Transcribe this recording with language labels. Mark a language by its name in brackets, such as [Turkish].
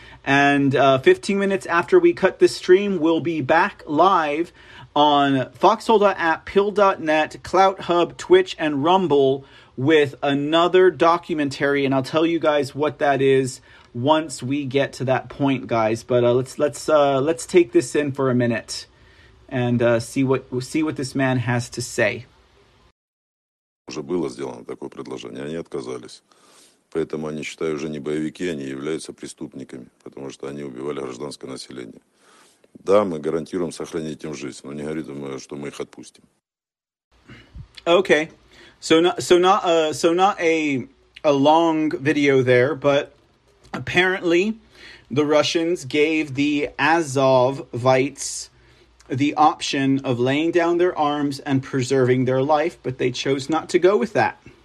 [English] And 15 minutes after we cut this stream, we'll be back live on foxhole.app, pill.net, Clout Hub, Twitch, and Rumble with another documentary. And I'll tell you guys what that is once we get to that point, guys. But let's take this in for a minute and see what this man has to say. [Russian] Уже было сделано такое предложение, они отказались. Поэтому они считают уже не боевики, они являются преступниками, потому что они убивали гражданское население. Да, мы гарантируем сохранить им жизнь, но не говорим, что мы их отпустим. [English] Okay, so not a long video there, but apparently the Russians gave the Azovites the option of laying down their arms and preserving their life, but they chose not to go with that.